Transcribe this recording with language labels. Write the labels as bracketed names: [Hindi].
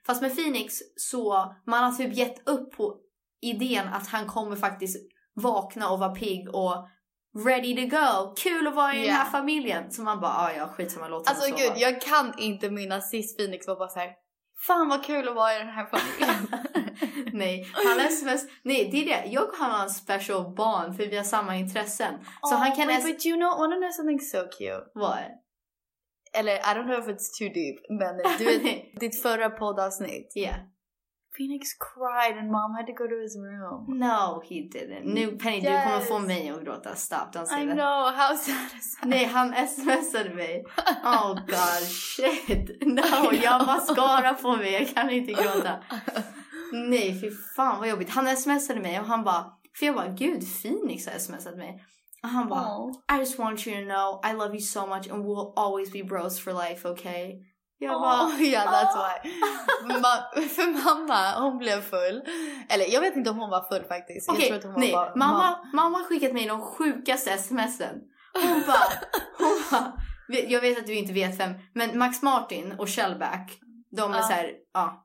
[Swedish] Fast med Phoenix så man har typ gett upp på idén att han kommer faktiskt vakna och vara pigg och [English] ready to go. [Swedish] Kul att vara i den här familjen. Så man bara, ja, skit som jag låter. Alltså gud, jag kan inte minnas sist Phoenix var bara så här, fan vad kul att vara i den här familjen. Nej, han sms, nej, det är det. Jag och han har en special bond för vi har samma intressen. Så han kan [English] wait, but you know, want to know something so cute? What? [Swedish] Eller, [English] I don't know if it's too deep, [Swedish] men du vet, ditt förra poddavsnitt. [English] Yeah. Phoenix cried and mom had to go to his room. No, he didn't. [Swedish] Nu, Penny, yes. Du kommer få mig att gråta. [English] Stop, don't say I that. I know, how satisfying. [Swedish] Nej, han smsade mig. [English] Oh god, shit. [Swedish] No, jag mascara på mig, jag kan inte gråta. Nej, fy fan, vad jobbigt. Han smsade mig och han bara, för jag bara, gud, Phoenix har smsat mig. Han bara, [English] I just want you to know I love you so much and we'll always be bros for life, okay? [Swedish] Jag bara, [English] yeah, that's why. [Swedish] För mamma, hon blev full. Eller jag vet inte om hon var full faktiskt. Okej, [English] okay, [Swedish] nej. Mamma skickat mig de sjukaste sms'en. Hon bara, jag vet att du inte vet vem. Men Max Martin och Shellback, de är så här, ja.